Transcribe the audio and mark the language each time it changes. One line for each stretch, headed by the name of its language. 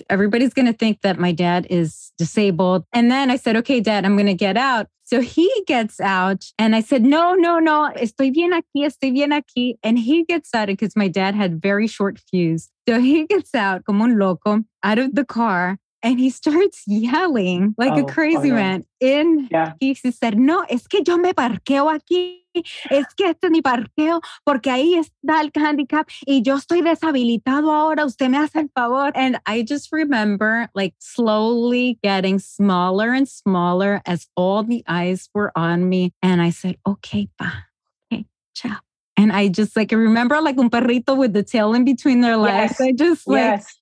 English: Everybody's going to think that my dad is disabled. And then I said, okay, dad, I'm going to get out. So he gets out and I said,
Spanish: no, estoy bien aquí,
English: estoy bien aquí. And he gets out because my dad had very short fuse. So he gets out,
Spanish: como un loco,
English: out of the car. And he starts yelling like a crazy man.
Spanish: He said, no, es que yo me parqueo aquí. Es que este es mi parqueo porque ahí está el handicap y yo estoy deshabilitado ahora. Usted me hace el favor.
English: And I just remember like slowly getting smaller and smaller as all the eyes were on me. And I said, okay, pa. Okay, chao. And I just like, I remember like
Spanish: un perrito
English: with the tail in between their legs. Yes.